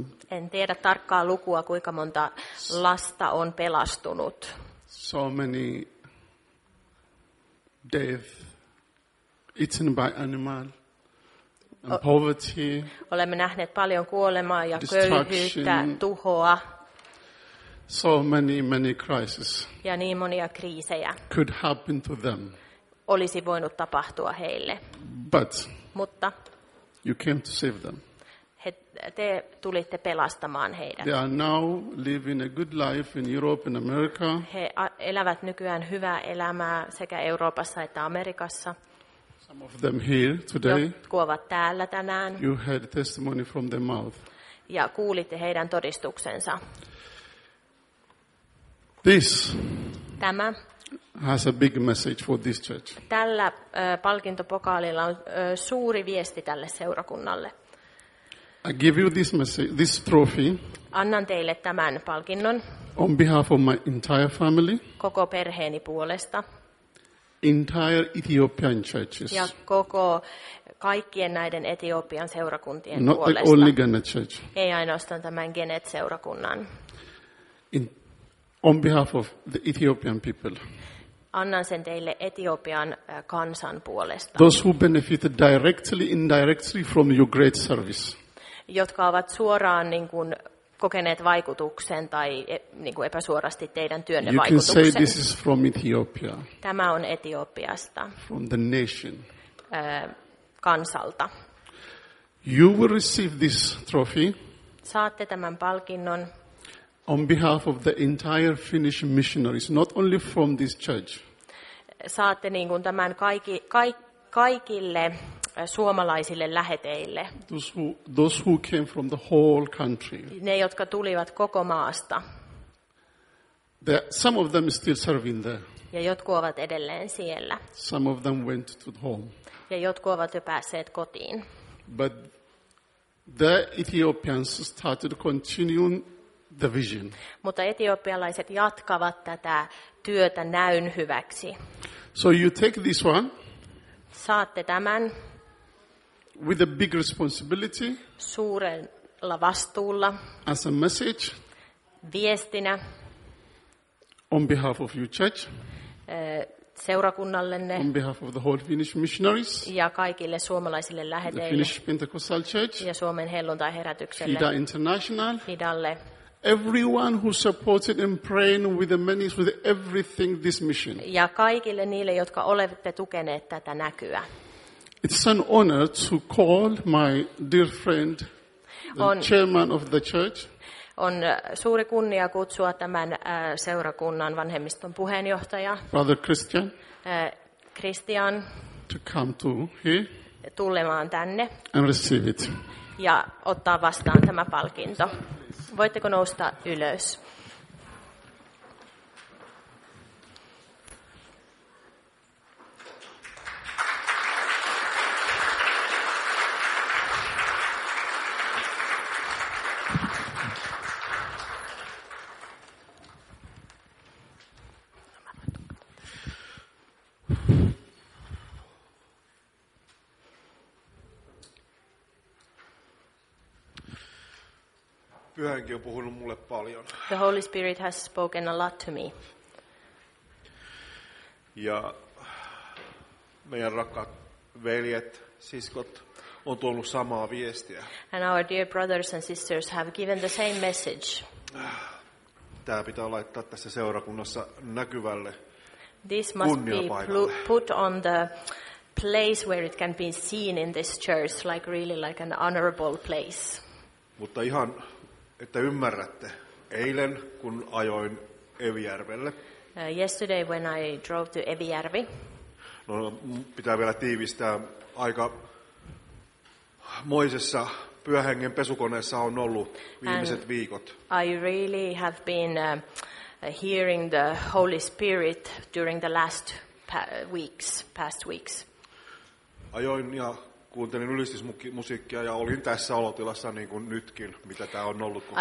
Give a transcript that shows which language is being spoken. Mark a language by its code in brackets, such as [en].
[fi] en tiedä tarkkaa lukua kuinka monta lasta on pelastunut. [en] So many death eaten by animal and poverty. [fi] Olemme nähneet paljon kuolemaa ja köyhyyttä, tuhoa. [en] So many, many crises. [fi] Ja niin monia kriisejä. [en] Could happen to them. [fi] Olisi voinut tapahtua heille. [en] But. [fi] Mutta. [en] You came to save them. [fi] Te tulitte pelastamaan heidät. [en] They are now living a good life in Europe and America. [fi] He elävät nykyään hyvää elämää sekä Euroopassa että Amerikassa. [en] Some of them here today. [fi] Jotkut ovat täällä tänään. [en] You heard testimony from their mouth. [fi] Ja kuulitte heidän todistuksensa. [en] This [fi] tämä [en] has a big message for this church. [fi] Tällä palkintopokaalilla on suuri viesti tälle seurakunnalle. [en] I give you this message, this trophy. [fi] Annan teille tämän palkinnon. [en] On behalf of my entire family. [fi] Koko perheeni puolesta. [en] Entire Ethiopian churches. [fi] Ja koko kaikkien näiden Etiopian seurakuntien [en] not [fi] puolesta. [en] Not only Genet Church. [fi] Ei ainoastaan tämän Genet seurakunnan. [en] On behalf of the Ethiopian people. [fi] Annan sen teille Etiopian kansan puolesta. [en] Those who benefited directly, indirectly from your great service. [fi] Jotka ovat suoraan niin kuin kokeneet vaikutuksen tai niin kuin epäsuorasti teidän työnne [en] you [fi] vaikutuksen. [en] You can say this is from Ethiopia. [fi] Tämä on Etiopiasta. [en] From the nation. [fi] Kansalta. [en] You will receive this trophy. [fi] Saatte tämän palkinnon. [en] On behalf of the entire Finnish missionaries, not only from this church. [fi] Saatte niin kuin tämän kaikille suomalaisille läheteille. [en] Those who came from the whole country. [fi] Ne, jotka tulivat koko maasta. [en] Some of them still serving there. [fi] Ja jotkut ovat edelleen siellä. [en] Some of them went to home. [fi] Ja jotkut ovat jo päässeet kotiin. [en] But the Ethiopians started continuing the vision. [fi] Mutta etiopialaiset jatkavat tätä työtä näyn hyväksi. [en] So you take this one. [fi] Saatte tämän. [en] With a big responsibility. [fi] Suurella vastuulla. [en] As a message. [fi] Viestinä. [en] On behalf of your church. [fi] Seurakunnallenne. [en] On behalf of the whole Finnish missionaries. [fi] Ja kaikille suomalaisille läheteille. [en] The Finnish Pentecostal Church. [fi] Ja Suomen helluntaiherätykselle. [en] FIDA International. [fi] FIDAlle. [en] Everyone who supported and praying with the many, with everything this mission. [fi] Ja kaikille niille, jotka olette tukeneet tätä näkyä. [en] It's an honor to call my dear friend, the chairman of the church. [fi] On suuri kunnia kutsua tämän seurakunnan vanhemmiston puheenjohtaja. [en] Brother Christian. [fi] Christian. [en] To come to here. [fi] Tulemaan tänne. [en] And receive it. [fi] Ja ottaa vastaan tämä palkinto. Voitteko nousta ylös? Pyhänkin on puhunut mulle paljon. [en] The Holy Spirit has spoken a lot to me. [fi] Ja meidän rakkaat veljet, siskot on tuonut samaa viestiä. [en] And our dear brothers and sisters have given the same message. [fi] Tämä pitää laittaa tässä seurakunnassa näkyvälle. [en] This must be put on the place where it can be seen in this church, like really like an honorable place. [fi] Mutta ihan että ymmärrätte. Eilen kun ajoin Evijärvelle. [en] Yesterday when I drove to Evijärvi. [fi] No, pitää vielä tiivistää. Aika moisessa Pyhän Hengen pesukoneessa on ollut viimeiset viikot. [en] I really have been hearing the Holy Spirit during the last past weeks. [fi] Ajoin ja kuuntelin ylistysmusiikkia ja olin tässä olotilassa niin kuin nytkin, mitä tämä on ollut koko